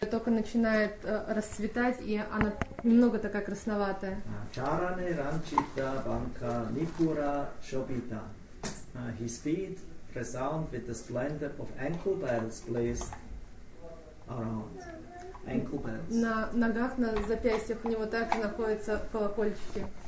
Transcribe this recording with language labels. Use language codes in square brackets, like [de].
[ru] только начинает расцветать, и она немного такая красноватая. [sa] Чаране рамчита банка нипура шопита. [en] His feet resound with the splendor of ankle bells placed around. Ankle bells. [ru] На ногах, на запястьях у него также находятся колокольчики.